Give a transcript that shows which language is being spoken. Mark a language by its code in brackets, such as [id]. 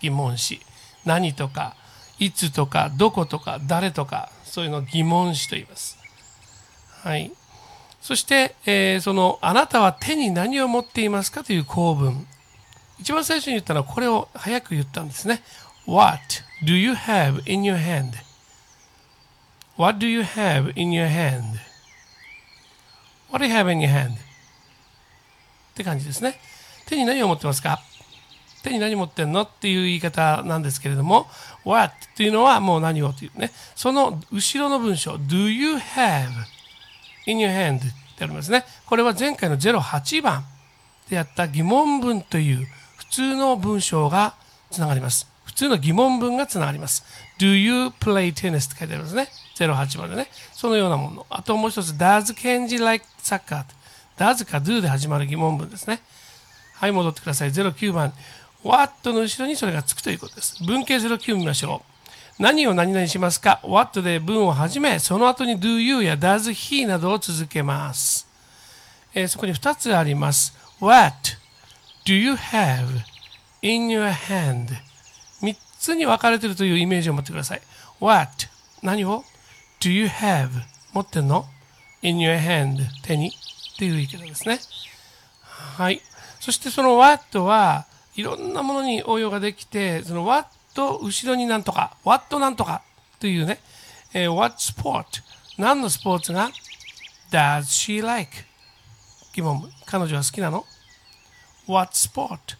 [ja] 疑問詞、何とかいつとかどことか誰とか、そういうのを疑問詞と言います。はい、そして、そのあなたは手に何を持っていますかという構文、一番最初に言ったのはこれを早く言ったんですね。 [en] What do you have in your hand? What do you have in your hand? What do you have in your hand? [ja] って感じですね。手に何を持ってますか?手に何持ってんの?っていう言い方なんですけれども、What というのはもう何をというね。その後ろの文章、 [en] Do you have in your hand? [ja] ってありますね。これは前回の08番でやった疑問文という普通の文章がつながります。普通の疑問文がつながります。 [en] Do you play tennis? [ja] って書いてありますね。 08番でね。そのようなもの。あともう一つ、 [en] Does Kenji like soccer? [ja] Does か Do で始まる疑問文ですね。はい、戻ってください。09番。 What の後ろにそれがつくということです。文型09見ましょう。何を何々しますか ?What で文を始め、その後に Do you や Does he などを続けます。そこに2つあります。 [en] What do you have in your hand? [ja] 普通に分かれているというイメージを持ってください。 [en] What? [ja] 何を [en] Do you have? [ja] 持ってんの [en] In your hand? [ja] 手に。という言い方ですね。はい。そしてその What はいろんなものに応用ができて、その What 後ろになんとか、What なんとかというね、 [en] What sport? [ja] 何のスポーツが [en] Does she like? [ja] 疑問、彼女は好きなの [en] What sport?